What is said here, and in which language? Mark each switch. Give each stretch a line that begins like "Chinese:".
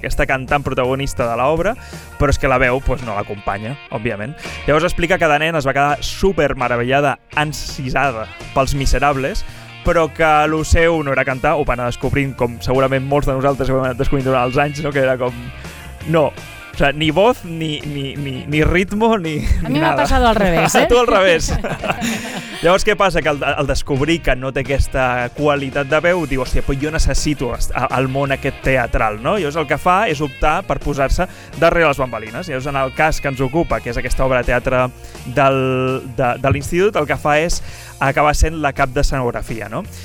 Catalan: Aquesta cantant protagonista de l'obra, però és que la veu pues, no l'acompanya, òbviament. Llavors explica que de nen es va quedar super meravellada, encisada pels miserables, però que el seu no era cantar, ho va anar descobrint, com segurament molts de nosaltres ho hem anat descobrint durant els anys, no? Que era com... No.
Spanish: O sea, ni voz, ni ritmo, ni nada.
Catalan: A mi m'ha passat al revés, eh? A tu al revés. Llavors, què passa? Que al descobrir que no té aquesta qualitat de veu, diu, hòstia, però jo necessito el món aquest teatral, no? Llavors, el que fa és optar per posar-se darrere les bambalines. Llavors, en el cas que ens ocupa, que és aquesta obra de teatre de l'institut, el que fa és acabar sent la cap d'escenografia, no?